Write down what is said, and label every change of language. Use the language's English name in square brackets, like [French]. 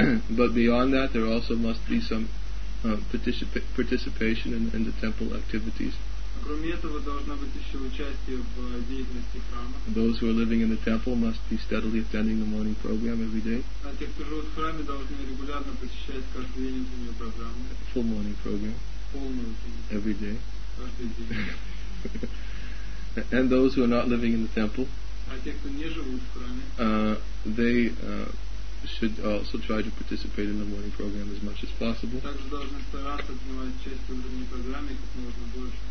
[English] But beyond that, there also must be some participation in the temple activities. [Russian] Кроме этого, должно быть еще участие в деятельности храма. [English] Those who are living in the temple must be steadily attending the morning program every day. [Russian] А те, кто живут в храме, должны регулярно посещать каждую утреннюю программу. [English] Full morning program. [Russian] Полную утреннюю. [English] Every day. [Russian] Каждый день. [English] And those who are not living in the temple. [Russian] А те, кто не живут в храме. [English] They should also try to participate in the morning program as much as possible. [Russian] Также должны стараться принимать участие в утренней программе как можно больше.